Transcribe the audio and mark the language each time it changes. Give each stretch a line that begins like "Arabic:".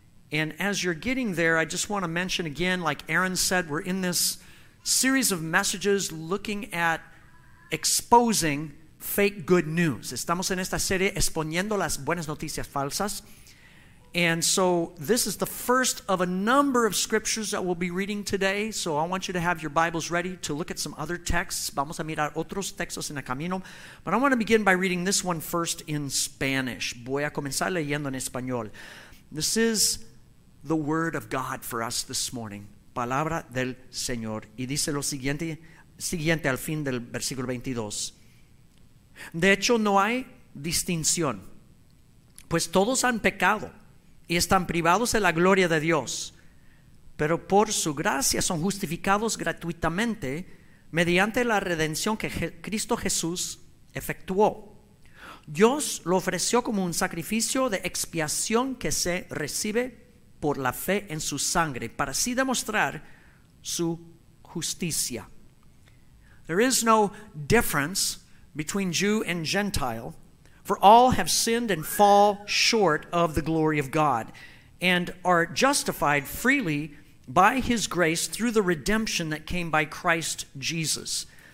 English: And as you're getting there, I just want to mention again, like Aaron said, we're in this series of messages looking at exposing fake good news.
Spanish: Estamos en esta serie exponiendo las buenas noticias falsas.
English: And so this is the first of a number of scriptures that we'll be reading today. So I want you to have your Bibles ready to look at some other texts.
Spanish: Vamos a mirar otros textos en el camino.
English: But I want to begin by reading this one first in Spanish.
Spanish: Voy a comenzar leyendo en español.
English: This is the word of God for us this morning.
Spanish: Palabra del Señor. Y dice lo siguiente al fin del versículo 22. De hecho, no hay distinción, pues todos han pecado y están privados de la gloria de Dios, pero por su gracia son justificados gratuitamente mediante la redención que Cristo Jesús efectuó. Dios lo ofreció como un sacrificio de expiación que se recibe por la fe en su sangre, para así demostrar su justicia.
English: There is no difference between Jew and Gentile, for all have sinned and fall short of the glory of God, and are justified freely by his grace through the redemption that came by Christ Jesus.